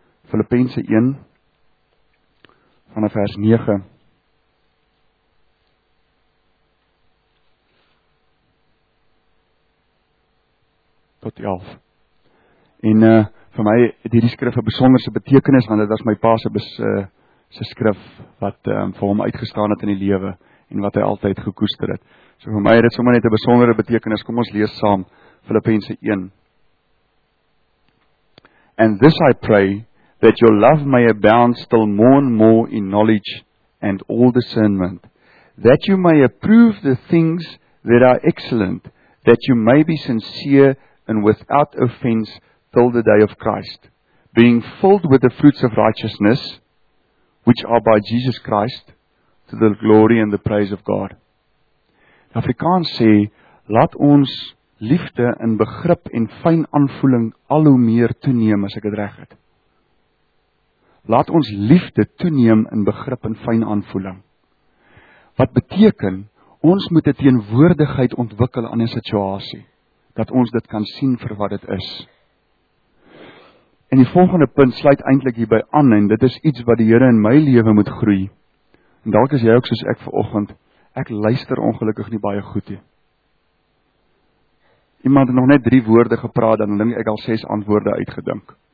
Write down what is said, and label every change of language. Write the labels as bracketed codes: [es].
[af] Filippense 1 vanaf vers 9 tot 11. En vir my het hierdie skrif 'n besonderse betekenis, want dit was my pa se skrif wat vir hom uitgestaan het in die lewe en wat hy altyd gekoester het. So vir my het dit sommer net 'n besondere betekenis. Kom ons lees saam Filippense 1. [en] And this I pray that your love may abound still more and more in knowledge and all discernment, that you may approve the things that are excellent, that you may be sincere and without offense till the day of Christ, being filled with the fruits of righteousness which are by Jesus Christ to the glory and the praise of God. [af] Afrikaans sê, laat ons liefde in begrip en fyn aanvoeling al hoe meer toeneem, as ek het reg het. Laat ons liefde toeneem in begrip en fyn aanvoeling. Wat beteken, ons moet 'n teenwoordigheid ontwikkel aan 'n situasie, dat ons dit kan sien vir wat dit is. En die volgende punt sluit eintlik hierby aan, en dit is iets wat die Here in my lewe moet groei. En dalk is jy ook soos ek vanoggend, ek luister ongelukkig nie baie goed nie. Iemand het nog net 3 woorde gepraat, dan dink ek al 6 antwoorde uitgedink.